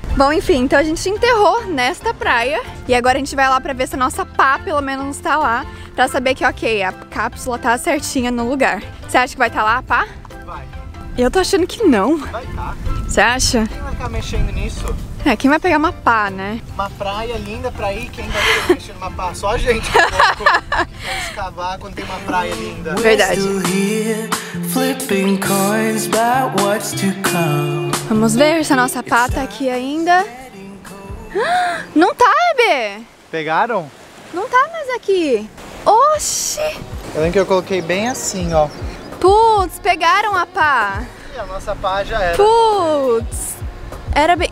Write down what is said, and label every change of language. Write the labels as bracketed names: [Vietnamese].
[Portuguese] Bom, enfim, então a gente enterrou nesta praia e agora a gente vai lá pra ver se a nossa pá pelo menos tá lá, pra saber que, ok, a cápsula tá certinha no lugar. Você acha que vai tá lá a pá? Vai. Eu tô achando que não. Vai tá. Você acha? Quem vai ficar mexendo nisso? É, quem vai pegar uma pá, né? Uma praia linda pra ir, quem vai ficar mexendo uma pá? Só a gente, por pouco, que vai escavar quando tem uma praia linda. Verdade. [English] We're still here, flipping coins about what's to come. [Portuguese] Vamos ver se a nossa pá tá aqui ainda. Não tá, Hebe! Pegaram? Não tá mais aqui. Oxi! Eu lembro que eu coloquei bem assim, ó. Putz, pegaram a pá. E a nossa pá já era. Putz! Era bem...